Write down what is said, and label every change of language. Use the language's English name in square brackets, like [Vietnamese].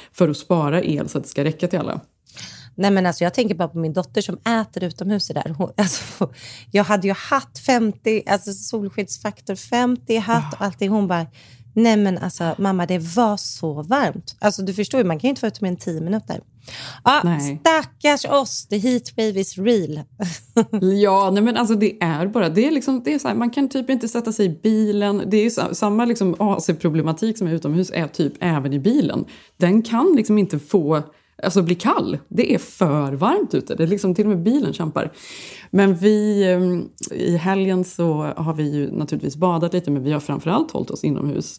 [Swedish] För att spara el så att det ska räcka till alla. Nej, men alltså jag tänker bara på min dotter som äter utomhus där. Jag hade ju hatt 50, alltså solskyddsfaktor 50, hatt och allting. Hon bara, nej men alltså mamma, det var så varmt. Alltså du förstår ju, man kan ju inte få ut med en 10 minuter. Ja, nej. Stackars oss, [English] the heat wave is real. [Swedish] Ja, nej men alltså det är så här, man kan typ inte sätta sig i bilen. Det är ju samma liksom AC-problematik som är utomhus är typ även i bilen. Den kan liksom inte få, alltså bli kall. Det är för varmt ute. Det är liksom till och med bilen kämpar. Men vi, i helgen så har vi ju naturligtvis badat lite, men vi har framförallt hållit oss inomhus.